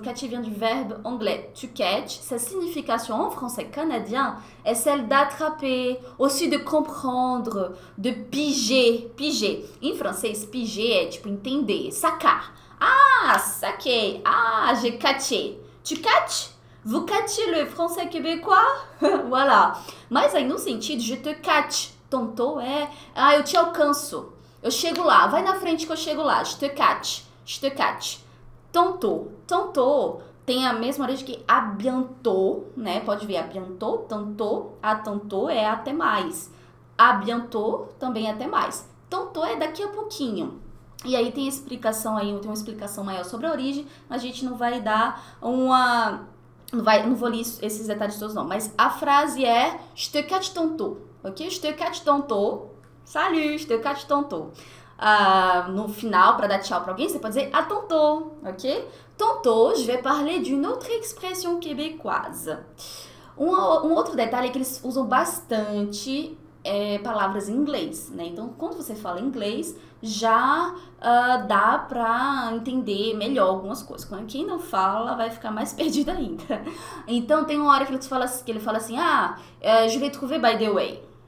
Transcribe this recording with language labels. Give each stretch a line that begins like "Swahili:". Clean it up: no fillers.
French: Catcher vient du verbe anglais, to catch. Sa signification en français canadien est celle d'attraper, aussi de comprendre, de piger.
Portuguese: Piger, em francês, piger é tipo entender, sacar. Ah, saquei.
French: Ah, j'ai catché. Tu catches? Vous catchez le français québécois?
Portuguese: Voilà. Mas aí no sentido,
French: je te catch.
Portuguese: Tonto é. Ah, eu te alcanço. Eu chego lá. Vai na frente que eu chego lá.
French: Je te catch. Je te catch.
Portuguese: Tonto. Tonto tem a mesma origem que a bientôt, né? Pode ver. A bientôt, tantôt. A tantôt é até mais. A bientôt também é até mais. Tonto é daqui a pouquinho. E aí tem explicação aí, tem uma explicação maior sobre a origem, mas a gente não vai dar uma. Não vai, não vou ler esses detalhes todos, não. Mas a frase é
French: Je te catch tantôt,
Portuguese: ok?
French: Je te catch tantôt. Salut, je te catch tantôt.
Portuguese: No final, para dar tchau para alguém, você pode dizer à tantôt, ok?
French: Tantôt, je vais parler d'une autre expression québécoise.
Portuguese: Um outro detalhe é que eles usam bastante. Palavras em inglês, né? Então, quando você fala inglês, já dá para entender melhor algumas coisas. Quem não fala vai ficar mais perdido ainda. Então, tem uma hora que ele fala assim:
French: Ah, je vais trouver by the way.